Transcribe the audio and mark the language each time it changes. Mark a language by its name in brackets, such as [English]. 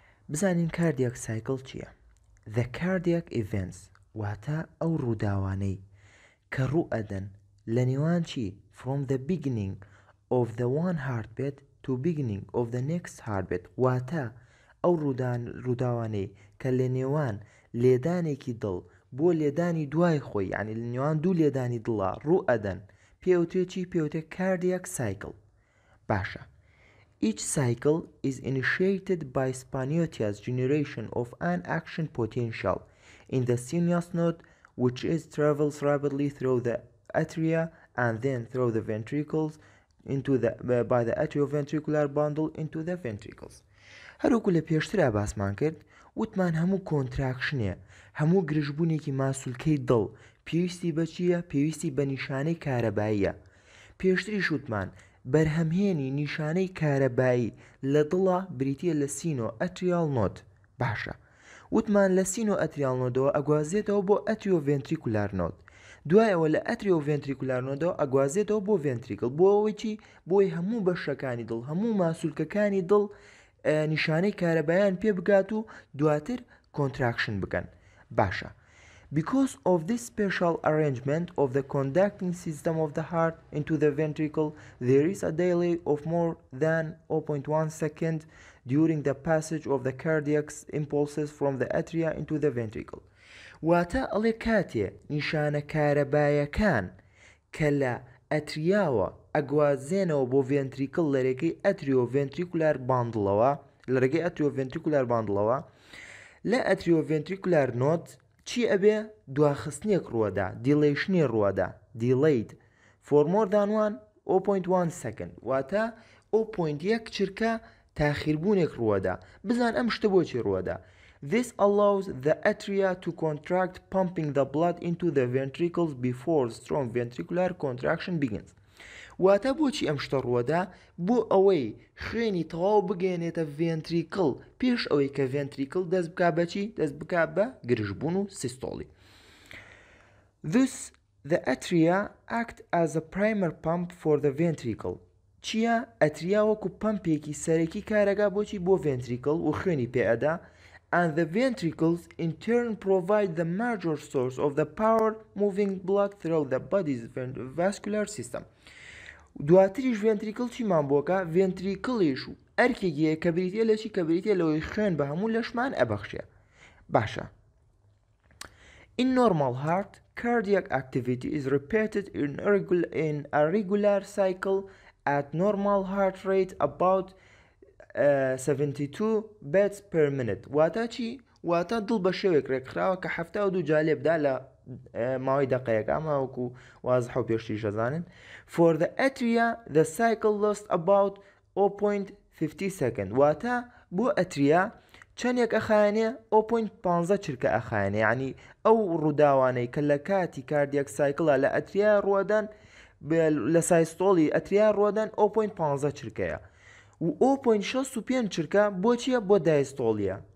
[Central Kurdish] بزانین کاردیۆک سایکل چییە؟ [English] The cardiac events، [Central Kurdish] واتە ئەو ڕووداوانەی کە ڕوو ئەدەن لە نێوان چی؟ [English] From the beginning of the one heartbeat to beginning of the next heartbeat، [Central Kurdish] واتە ئەو ڕووداوانەی کە لە نێوان لێدانێکی دڵ بۆ لێدانی دوای خۆی، یعنی لە نێوان دوو لێدانی دڵە ڕوو ئەدەن، پێوتێ چی؟ پێوتێ cardiac cycle. [English] باشە، Each cycle is initiated by spontaneous generation of an action potential in the sinus node, which travels rapidly through the atria and then through the ventricles into the by the atrioventricular bundle into the ventricles. [Central Kurdish] هەروو لە پێشتر باسمان کرد، وتمان هەموو کۆنتراکشنە، هەموو گرژبوونێکی ماسولکەی دڵ پێویستی بە چییە؟ پێویستی بە نیشانەی کارەباییە. پێشتریش وتمان بەرهەمهێنی نیشانەی کارەبایی لە دڵە بریتیە لە سینۆ ئەتریال نۆت. باشە، وتمان لە سینۆ ئەتریال نۆدەوە ئەگوازێتەوە بۆ ئەتریۆ ڤێنتریکولار نۆت، دوایەوە لە ئەتریۆ ڤێنتریکولار نۆدەوە ئەگوازێتەوە بۆ ڤێنتریکل، بۆ ئەوەی چی؟ بۆی هەموو بەشەکانی دڵ، هەموو ماسولکەکانی دڵ نیشانەی کارەباییان پێ بگات و دواتر کۆنتراکشن بکەن. [English] باشە، Because of this special arrangement of the conducting system of the heart into the ventricle, there is a delay of more than 0.1 second during the passage of the cardiac impulses from the atria into the ventricle. [Central Kurdish] واتە ئەڵێ کاتێ نیشانە کارەباییەکان کە لە ئەتریاوە ئەگوازێنەوە بۆ ڤێنتریکل لە ڕێگەی ئەتریۆڤێنتریکولار باندڵەوە، لە ڕێگەی ئەتریۆڤێنتریکولار باندڵەوە لە ئەتریۆڤێنتریکولار نۆت چی ئەبێ؟ دواخستنێک ڕوادا، دیلەیشنی ڕوادا، [English] delayed for more than one 0.1 second, [Central Kurdish] واتە 0.1 چرکە تاخیربوونێک ڕوادا. بزان ئەم شتە بۆچی ڕوادا؟ [English] This allows the atria to contract pumping the blood into the ventricles before strong ventricular contraction begins. [Central Kurdish] واتە بۆچی ئەم شتە ڕوادا؟ بۆ ئەوەی خوێنی تەواو بگەێنێتە ڤێنتریکل پێش ئەوەی کە ڤێنتریکل دەست بکا بە چی؟ دەست بکا بە گرژبوون و سیستۆڵی. [English] Thus the atria act as a primer pump for the ventricle. [Central Kurdish] چییە؟ ئەتریا وەکو پەمپێکی سەرەکی کارەگا بۆچی؟ بۆ ڤێنتریکل و خوێنی پێئەدا. [English] And the ventricles in turn provide the major source of the power moving blood through the body's vascular system. [Central Kurdish] دواتریش ڤێنتریکل چیمان بۆکە؟ ڤێنتریکلیش ئەرکێکیە کە بریتیە لە چی؟ کە بریتیە لەوەی خوێن بە هەموو لەشمان ئەبەخشێ. [English] باشە، In normal heart, cardiac activity is repeated in a regular cycle at normal heart rate about 72 beats per minute. [Central Kurdish] واتە چی؟ واتە دڵ بە شێوێک ڕێکخراوە کە 72 جالێ بدا لە ماوەی دەقەیەکە، ئەمە وەکو وازح و پێشتیش دەزانن. [English] For the atria, the cycle lost about 0.50 seconds. [Central Kurdish] واتە بۆ ئەتریا چەندێک ئەخایەنێ؟ 0.15 چرکە ئەخایەنێ، یعنی ئەو ڕووداوانەی کە لە کاتی کاردیۆک سایکڵە لە ئەتریا ڕوودەن، لە سایستۆڵی ئەتریا ڕوودەن 0.15 چرکەیە، و 0.65 چرکە بۆچیە؟ بۆ دایستۆڵیە.